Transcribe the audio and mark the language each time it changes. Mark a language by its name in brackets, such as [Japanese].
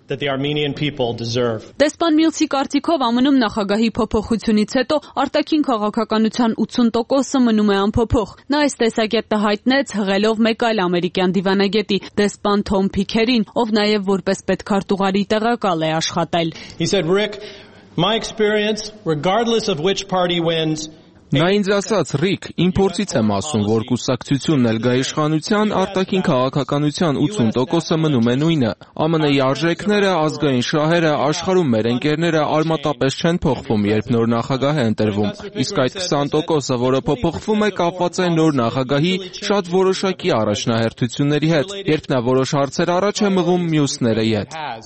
[English] That the Armenian people deserve. [Armenian] Դեսպան Միլսի կարծիքով ԱՄՆ-ում նախագահի փոփոխությունից հետո արտաքին քաղաքականության 80%-ը մնում է անփոփոխ։ Նա այս տեսակետը հայտնեց հղելով մեկ այլ ամերիկյան դիվանագետի, դեսպան Թոմ Փիքերին, ով նաև որպես պետքարտուղարի տեղակալ է աշխատել։ [English] He said, Rick, my experience, regardless of which party wins, [Armenian] Նա ինձ ասաց, Ռիկ, իմ փորձից եմ ասում, որ կուսակցությունն էլ գա իշխանության, արտաքին քաղաքականության 80%-ը մնում է նույնը։ ԱՄՆ-ի արժեքները, ազգային շահերը, աշխարհում մեր ընկերները արմատապես չեն փոխվում, երբ նոր նախագահ է ընտրվում, իսկ այդ 20%-ը, որը փոփոխվում է, կապված է նոր նախագահի շատ որոշակի առաջնահերթությունների հետ, երբ նա որոշ հարցեր առաջ է մղում մյուսների հետ։